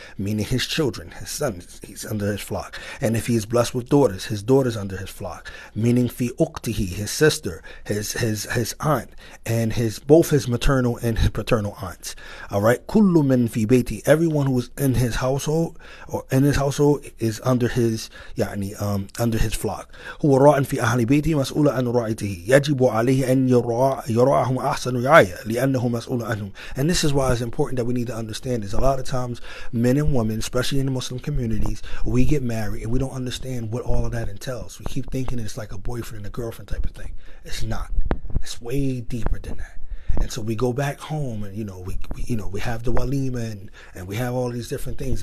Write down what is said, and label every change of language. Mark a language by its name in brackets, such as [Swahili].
[English] Meaning his children, his sons, he's under his flock. And if he is blessed with daughters, his daughter's under his flock. Meaning [Arabic] في أختي, [English] his sister, his aunt, and both his maternal and his paternal aunts. Alright? [Arabic] كل من في بيتي. [English] Everyone who is in his household or in his household is under his under his flock. [Arabic] هو راع في أهل بيتي مسؤول عن رعيته. يجب عليه أن يرعاهم أحسن رعاية لأنه مسؤول عنهم. [English] And this is why it's important that we need to understand is a lot of times men and women, especially in the Muslim communities, we get married and we don't understand what all of that entails. We keep thinking it's like a boyfriend and a girlfriend type of thing. It's not. It's way deeper than that. And so we go back home and, we have the walima and we have all these different things.